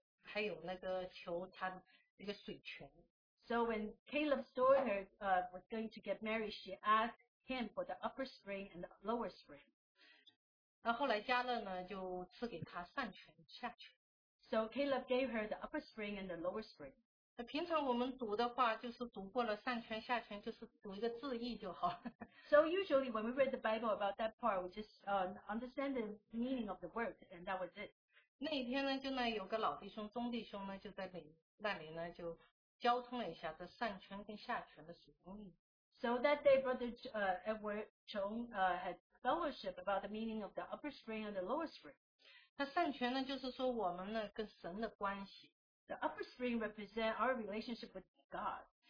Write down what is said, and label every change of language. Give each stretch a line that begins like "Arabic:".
Chinese: 他的那个加勒的那个女儿亚莎出嫁那一天向他的父亲求一块田，还有那个求他一个水泉。
English: So when Caleb's daughter was going to get married, she asked him for the upper spring and the lower spring.
Chinese: 然后后来加勒呢就赐给他上泉下泉。
English: So Caleb gave her the upper spring and the lower spring.
Chinese: 平常我们读的话，就是读过了上泉下泉，就是读一个字义就好。
English: So usually when we read the Bible about that part, we just understand the meaning of the word, and that was it.
Chinese: 那一天呢，就那有个老弟兄、中弟兄呢，就在那里呢就交通了一下这上泉跟下泉的使用。
English: So that day, Brother Edward Chong had fellowship about the meaning of the upper spring and the lower spring.
Chinese: 那上泉呢，就是说我们呢跟神的关系。
English: The upper spring represents our relationship with God.